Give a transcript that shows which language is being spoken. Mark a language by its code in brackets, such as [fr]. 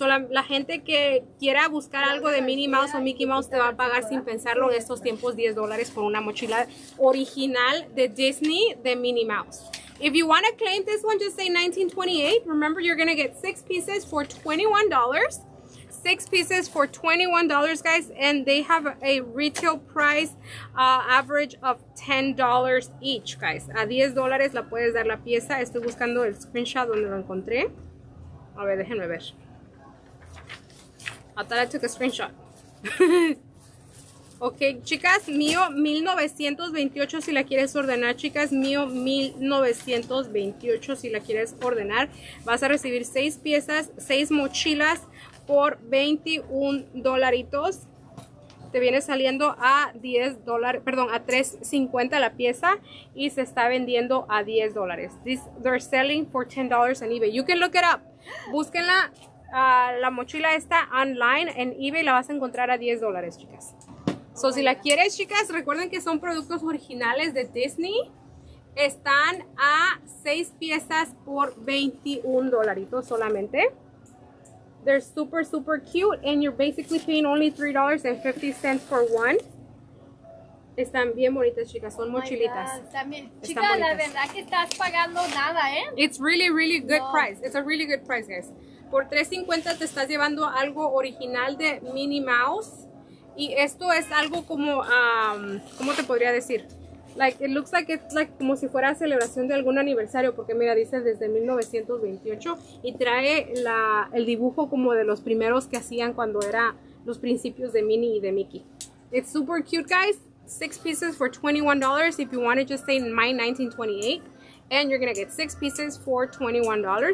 [es] La gente que quiera buscar algo de Minnie Mouse o Mickey Mouse te va a pagar sin pensarlo en estos tiempos $10 por una mochila original de Disney de Minnie Mouse. [en] If you want to claim this one, just say 1928. Remember, you're going to get 6 pieces for $21. 6 pieces for $21, guys, and they have a retail price average of $10 each, guys. [es] A $10 la puedes dar la pieza. Estoy buscando el screenshot donde lo encontré. A ver, déjenme ver. [en] I thought I took a screenshot. [es] Ok, chicas, mío 1928 si la quieres ordenar, chicas. Mío 1928 si la quieres ordenar. Vas a recibir 6 piezas, 6 mochilas por $21. Te viene saliendo a $3.50 la pieza y se está vendiendo a $10. [en] They're selling for $10 on eBay. You can look it up. [es] Búsquenla, la mochila está online en eBay, la vas a encontrar a $10, chicas. So, si la quieres, chicas, recuerden que son productos originales de Disney. Están a 6 piezas por $21 solamente. [en] They're super, super cute and you're basically paying only $3.50 for one. [es] Están bien bonitas, chicas, son mochilitas. También. Chicas, la verdad que estás pagando nada, ¿eh? [en] It's really, really good price. It's a really good price, guys. [es] Por $3.50 te estás llevando algo original de Minnie Mouse. Y esto es algo como, ¿cómo te podría decir? [en] Like, it looks like it's like [es] como si fuera celebración de algún aniversario, porque mira, dice desde 1928 y trae el dibujo como de los primeros que hacían cuando era los principios de Minnie y de Mickey. [en] It's super cute, guys. 6 pieces for $21. If you want to just say my 1928, and you're gonna get 6 pieces for $21.